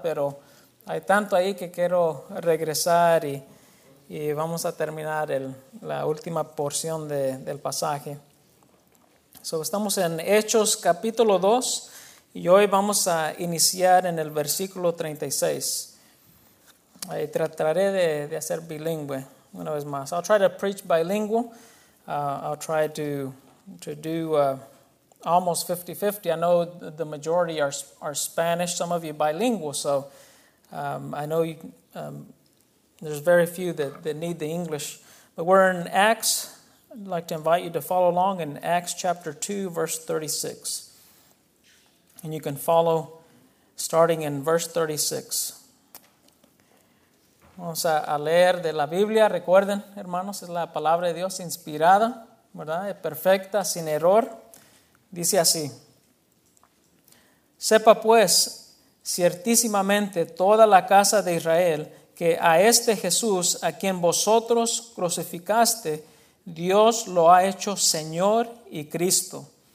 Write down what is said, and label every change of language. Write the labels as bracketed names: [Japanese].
[Spanish] Pero hay tanto ahí que quiero regresar y vamos a terminar la última porción del pasaje. So, estamos en Hechos capítulo 2 y hoy vamos a iniciar en el versículo 36. Ahí trataré de hacer bilingüe una vez más. [English] I'll try to preach bilingual. I'll try to do almost 50-50. I know the majority are Spanish. Some of you bilingual. So I know you, there's very few that need the English. But we're in Acts. I'd like to invite you to follow along in Acts chapter 2, verse 36. And you can follow starting in verse 36. [Spanish] Vamos a leer de la Biblia. Recuerden, hermanos, es la palabra de Dios inspirada, ¿verdad? Perfecta, sin error. Dice así. Sepa pues, ciertísimamente, toda la casa de Israel, que a este Jesús, a quien vosotros crucificaste, Dios lo ha hecho Señor y Cristo.